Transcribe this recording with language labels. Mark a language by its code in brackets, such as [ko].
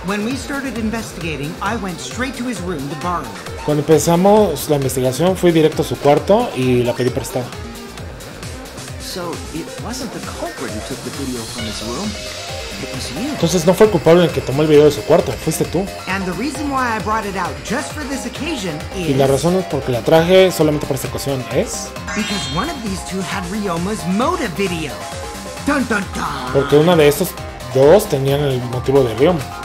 [es] Cuando empezamos la investigación, fui directo a su cuarto y la pedí prestada. Entonces no fue el culpable el que tomó el video de su cuarto, fuiste tú. Y la razón es porque la traje solamente para esta ocasión, ¿es? [en] Because one of these two had Ryoma's Moda video. Dun, dun, dun. [es] Porque una de estos dos tenían el motivo de Ryoma.